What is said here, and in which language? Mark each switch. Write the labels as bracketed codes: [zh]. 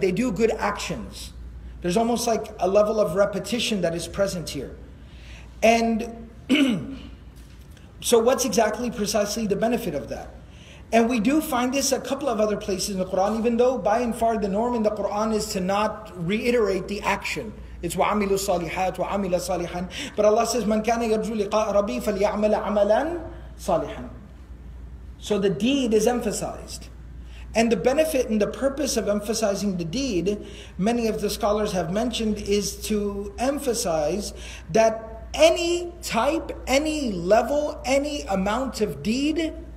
[en] They do good actions. There's almost like a level of repetition that is present here. And so what's exactly precisely the benefit of that? And we do find this a couple of other places in the Quran, even though by and far the norm in the Quran is to not reiterate the action. [ar] It's وَعَمِلُوا الصَّالِحَاتِ وَعَمِلَ صَالِحًا. [en] But Allah says, [ar] مَنْ كَانَ يَرْجُوا لِقَاءَ رَبِّي فَلْيَعْمَلَ عَمَلًا صَالِحًا. [en] So the deed is emphasized. And the benefit and the purpose of emphasizing the deed, many of the scholars have mentioned, is to emphasize that any type, any level, any amount of deed,